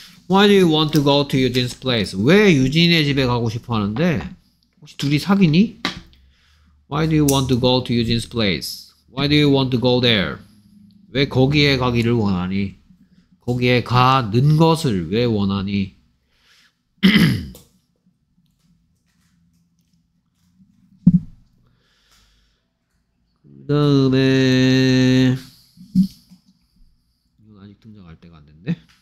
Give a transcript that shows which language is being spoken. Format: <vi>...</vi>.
<en>Why do you want to go to Eugene's place?</en> <ko>왜 유진의 집에 가고 싶어 하는데? 혹시 둘이 사귀니?</ko> <en>Why do you want to go to Eugene's place? Why do you want to go there?</en> <ko>왜 거기에 가기를 원하니? 거기에 가는 것을 왜 원하니? 그 다음에 이건 아직 등장할 때가 안 됐네.</ko>